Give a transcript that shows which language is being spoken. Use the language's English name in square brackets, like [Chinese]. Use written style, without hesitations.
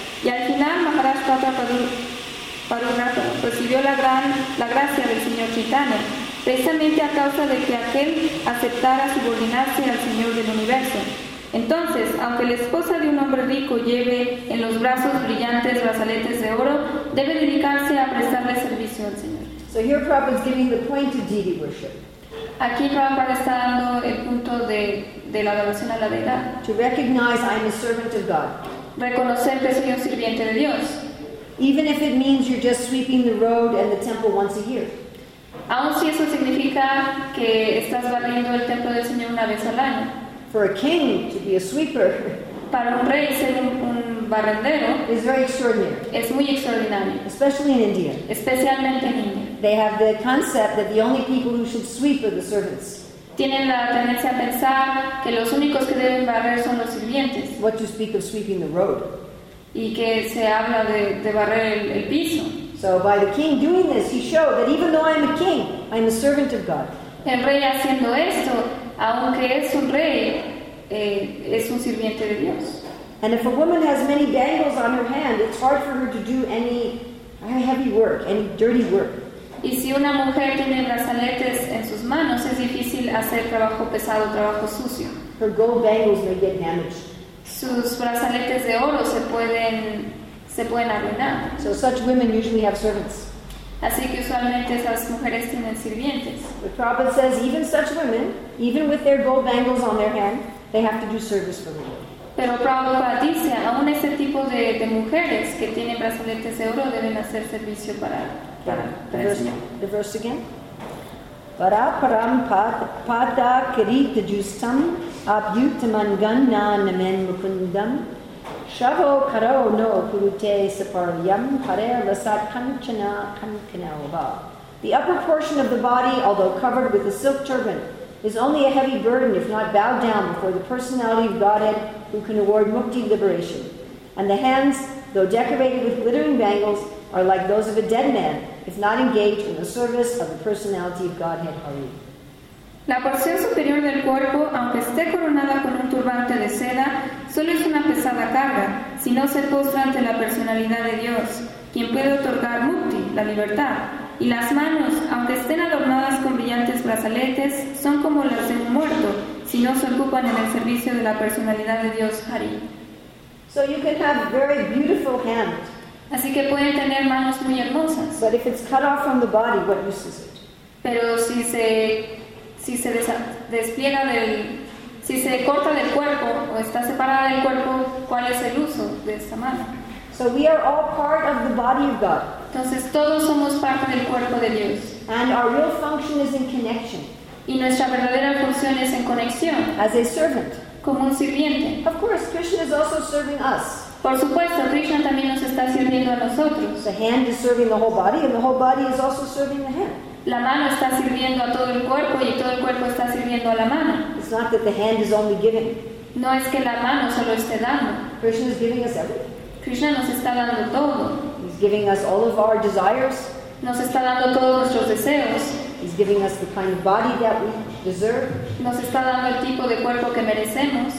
[Spanish] Y al final Maharaj Prataparudra recibió la gracia del Señor Chaitanya, precisamente a causa de que aquel aceptara subordinarse al Señor del Universo. Entonces, aunque la esposa de un hombre rico lleve en los brazos brillantes brazaletes de oro, debe dedicarse a prestarle servicio al Señor. [English] So here Prabhupada is giving the point of deity worship. [Spanish] Aquí Prabhupada está dando el punto de la adoración a la deidad. [English] To recognize I am a servant of God. [Spanish] Reconocer que soy un sirviente de Dios. [English] Even if it means you're just sweeping the road and the temple once a year. [Spanish] Aun si eso significa que estás barriendo el templo del Señor una vez al año. [English] For a king to be a sweeper, [Spanish] para un rey ser un barrendero, [English] is very extraordinary. [Spanish] Es muy extraordinario. [English] Especially in India. [Spanish] Especialmente en India. [English] They have the concept that the only people who should sweep are the servants. [Spanish] Tienen la tendencia a pensar que los únicos que deben barrer son los sirvientes. [English] What to speak of sweeping the road. [Spanish] Y que se habla de barrer el piso. [English] So by the king doing this, he showed that even though I am a king, I am a servant of God. [Spanish] El rey haciendo esto, aunque es un rey, es un sirviente de Dios. [English] And if a woman has many bangles on her hand, it's hard for her to do any heavy work, any dirty work. [Spanish] Y si una mujer tiene brazaletes en sus manos, es difícil hacer trabajo pesado, trabajo sucio. [English] Her gold bangles may get damaged. [Spanish] Sus brazaletes de oro se pueden arruinar. [English] So such women usually have servants. [Spanish] Así que usualmente esas mujeres tienen sirvientes. [English] But Prabhupada says even such women, even with their gold bangles on their hand, they have to do service for the Lord. [Spanish] Pero Prabhupada dice, aún ese tipo de mujeres que tienen brazaletes de oro deben hacer servicio para el Señor. [English] The verse again. [Sanskrit] Justam abhyutaman ganna namen mukundam shavo karo no purute saparyam pare lasat kanchana kankanava. [English] The upper portion of the body, although covered with a silk turban, is only a heavy burden if not bowed down before the personality of Godhead who can award mukti liberation. And the hands, though decorated with glittering bangles, are like those of a dead man if not engaged in the service of the personality of Godhead Hari. [Spanish] La porción superior del cuerpo, aunque esté coronada con un turbante de seda, solo es una pesada carga si no se postra ante la personalidad de Dios, quien puede otorgar mukti, la libertad. Y las manos, aunque estén adornadas con brillantes brazaletes, son como las de un muerto, si no se ocupan en el servicio de la personalidad de Dios, Hari. [English] So you can have very beautiful hands. [Spanish] Así que pueden tener manos muy hermosas. [English] But if it's cut off from the body, what use is it? [Spanish] Pero si se corta del cuerpo o está separada del cuerpo, ¿cuál es el uso de esta mano? [English] So we are all part of the body of God. [Spanish] Entonces todos somos parte del cuerpo de Dios. [English] And our real function is in connection. [Spanish] Y nuestra verdadera función es en conexión. [English] As a servant. [Spanish] Como un sirviente. [English] Of course, Krishna is also serving us. [Spanish] Por supuesto, Krishna también nos está sirviendo a nosotros. [English] The hand is serving the whole body, and the whole body is also serving the hand. [Spanish] La mano está sirviendo a todo el cuerpo y todo el cuerpo está sirviendo a la mano. [English] It's not that the hand is only giving. [Spanish] No es que la mano solo esté dando. [English] Krishna is giving us everything. [Spanish] Krishna nos está dando todo. [English] He's giving us all of our desires. [Spanish] Nos está dando todos nuestros deseos. [English] He's giving us the kind of body that we deserve. [Spanish] Nos está dando el tipo de cuerpo que merecemos.